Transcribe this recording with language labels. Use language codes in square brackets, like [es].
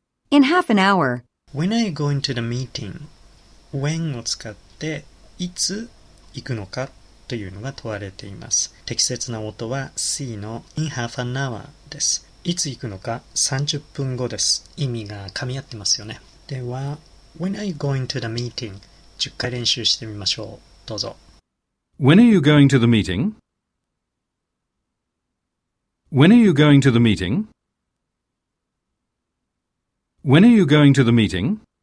[en] In half an hour. When are you going to the meeting? [ja] When を使って、いつ行くのかというのが問われています。適切な音は C の [en] in half an hour [ja] です。いつ行くのか30分後です。意味が噛み合ってますよね。では、 [en] When are you going to the meeting? [ja] 10回練習してみましょう。どうぞ。 [en] When are you going to the meeting? When are you going to the meeting? When are you going to the meeting?